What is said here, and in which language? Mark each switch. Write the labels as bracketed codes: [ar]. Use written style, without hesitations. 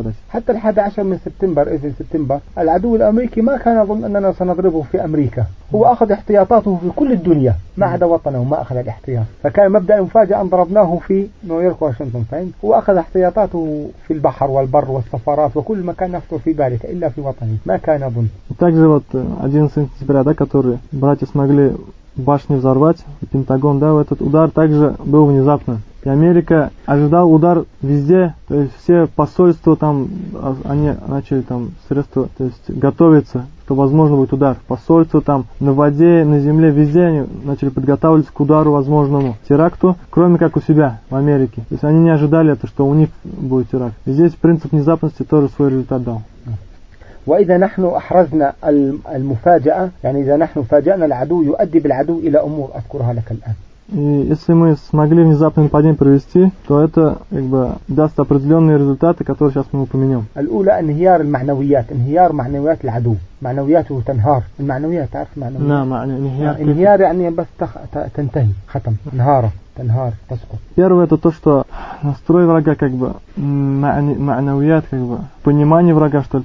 [ar] حتى الحادى عشر من سبتمبر إذن سبتمبر العدو الأمريكي ما كان يظن أننا سنضربه في أمريكا هو أخذ احتياطاته في كل الدنيا ما عدا وطنه ما أخذ الاحتياط فكان مبدأ المفاجأة أن ضربناه في نيويورك واشنطن فين هو أخذ احتياطاته في البحر والبر والسفارات وكل ما كان نفسه في ذلك إلا في وطنه ما كان يظن [ru] также вот 11 сентября, да, который братья смогли башни взорвать, Пентагон, да, этот удар также был внезапно. И Америка ожидал удар везде, то есть все посольства там, они начали там средства, то есть готовиться, что возможно будет удар. Посольства там на воде, на земле, везде они начали подготавливаться к удару возможному теракту, кроме как у себя в Америке. То есть они не ожидали это, что у них будет теракт. И здесь принцип внезапности тоже свой результат дал. [ar] وإذا نحن أحرزنا المفاجأة يعني إذا نحن فاجأنا العدو يؤدي بالعدو إلى أمور أذكرها لك الآن. [ru] Если мы смогли внезапное нападение провести, то это как бы даст определенные результаты, которые сейчас мы упомянем. [ar] الأولى انهيار المعنويات انهيار معنويات العدو معنوياته تنهار المعنويات تعرف معنويات. نعم انهيار. انهيار يعني بس تنتهي ختم انهاره. انهار تسقط. [ru] Первое это то, что настрой врага как бы معنويات как бы понимание врага что ли.